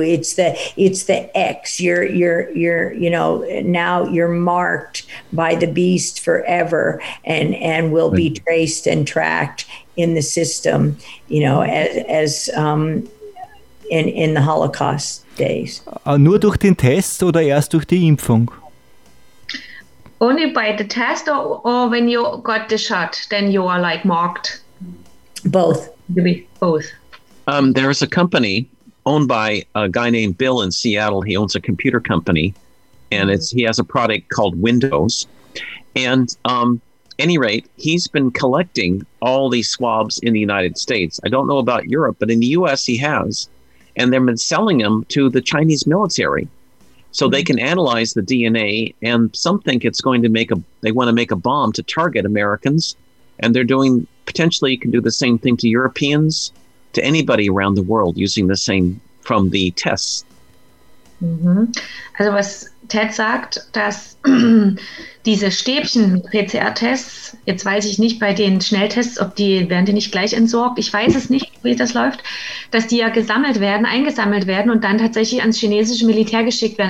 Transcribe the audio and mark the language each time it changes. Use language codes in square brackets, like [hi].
[en] It's the X. You're now you're marked by the beast forever and will be traced and tracked in the system, you know, as in the Holocaust days. [de] Nur durch den Test oder erst durch die Impfung? [en] Only by the test or when you got the shot, then you are like marked? Both. There is a company owned by a guy named Bill in Seattle. He owns a computer company and he has a product called Windows. And any rate, he's been collecting all these swabs in the United States. I don't know about Europe, but in the US he has. And they've been selling them to the Chinese military. So they can analyze the DNA, and some think it's going to they want to make a bomb to target Americans. And they're doing, potentially you can do the same thing to Europeans, to anybody around the world using the same from the tests. Mm-hmm. [de] Also was Ted sagt, dass diese Stäbchen PCR-Tests, jetzt weiß ich nicht bei den Schnelltests, ob die werden die nicht gleich entsorgt, ich weiß es nicht, wie das läuft, dass die ja eingesammelt werden und dann tatsächlich ans chinesische Militär geschickt werden.